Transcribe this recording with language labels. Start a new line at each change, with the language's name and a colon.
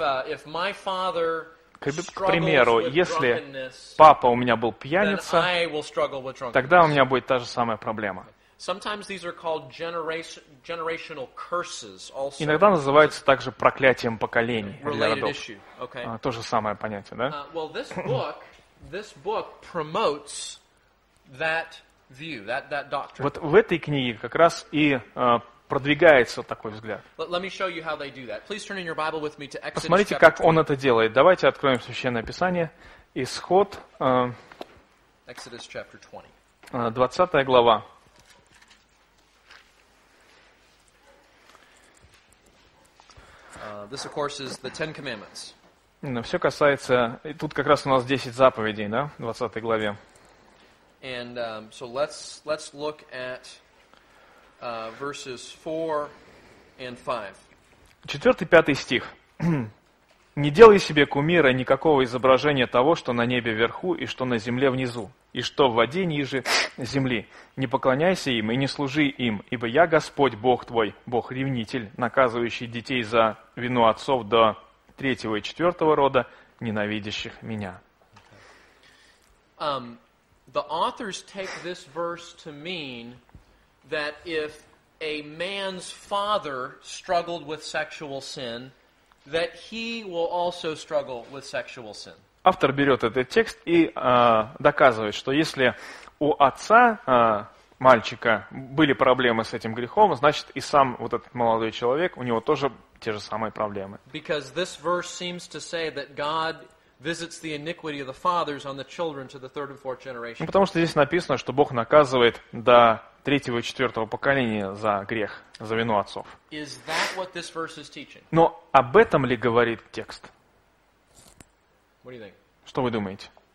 English: If my father struggles
Russian: к примеру,
English: with
Russian: если
English: drunkenness,
Russian: папа у меня был пьяница,
English: then I will struggle with drunkenness.
Russian: Тогда у меня будет та же самая проблема.
English: Sometimes these are called generational curses also.
Russian: Иногда называются также проклятием поколений для родов.
English: Okay.
Russian: То же самое понятие, да?
English: Well, this book promotes that view, that doctrine.
Russian: Вот в этой книге как раз и продвигается такой взгляд.
English: Let me show you how they do that. Please turn in your Bible with me to Exodus.
Russian: Посмотрите, как он это делает. Давайте откроем Священное Писание. Исход.
English: Exodus chapter 20.
Russian: 20 глава.
English: This, of course, is the Ten Commandments.
Russian: Но все касается, и тут как раз у нас 10 заповедей, да, в 20 главе.
English: And so let's look at verses 4 and 5.
Russian: 4-5 стих. Не делай себе кумира никакого изображения того, что на небе вверху и что на земле внизу, и что в воде ниже земли. Не поклоняйся им и не служи им, ибо я Господь, Бог твой, Бог-ревнитель, наказывающий детей за вину отцов до третьего и четвертого рода, ненавидящих меня.
English: The authors take this verse to mean that if a man's father struggled with sexual sin, that he will also struggle with sexual sin.
Russian: Автор берет этот текст и доказывает, что если у отца мальчика были проблемы с этим грехом, значит и сам вот этот молодой человек, у него тоже те же самые проблемы.
English: Because this verse seems to say that God visits the iniquity of the fathers on the children to the third and fourth generation.
Russian: Ну, потому что здесь написано, что Бог наказывает до третьего и четвертого поколения за грех, за вину отцов.
English: Is that what this verse is teaching?
Russian: Но об этом ли говорит текст?
English: What do you think?
Russian: Что вы думаете?